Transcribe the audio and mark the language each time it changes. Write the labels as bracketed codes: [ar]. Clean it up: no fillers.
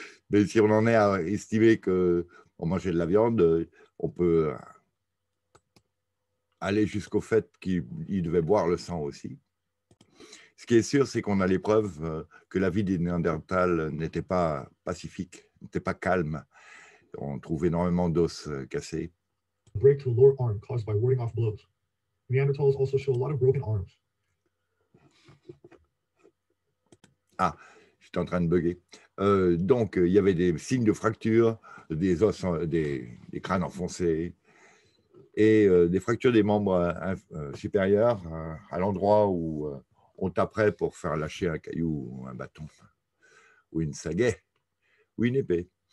[fr] Mais si on en est à estimer qu'on mangeait de la viande, on peut aller jusqu'au fait qu'il devait boire le sang aussi. Ce qui est sûr, c'est qu'on a les preuves que la vie des Néandertals n'était pas pacifique, n'était pas calme. On trouve énormément d'os cassés. [en] Break to the lower arm caused by warding off blows. Neanderthals also show a lot of broken arms. [fr] Ah, j'étais en train de bugger. Donc, il y avait des signes de fracture, des os, des crânes enfoncés et des fractures des membres supérieurs à l'endroit où on taperait pour faire lâcher un caillou ou un bâton, ou une sagaie, ou une épée.